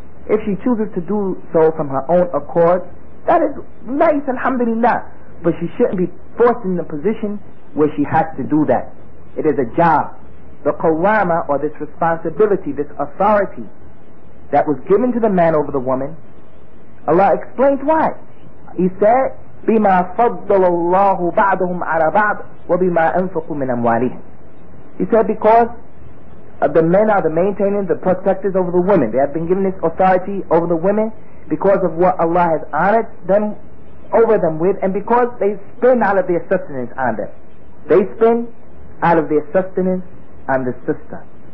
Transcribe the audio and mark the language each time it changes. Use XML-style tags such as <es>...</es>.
<en>If she chooses to do so from her own accord, that is nice, alhamdulillah. But she shouldn't be forced in the position where she has to do that. It is a job. The qawwama, or this responsibility, this authority that was given to the man over the woman, Allah explains why. He said,</en> <ar>بِمَا فَضَّلَ اللَّهُ بَعْضُهُمْ عَلَى بَعْضٍ وَبِمَا أَنفَقُوا مِنْ أَمْوَالِهِمْ.</ar> <en>He said, because The men are the maintainers, the protectors over the women. They have been given this authority over the women because of what Allah has honored them over them with, and because they spend out of their sustenance on them. They spend out of their sustenance on the sister.</en>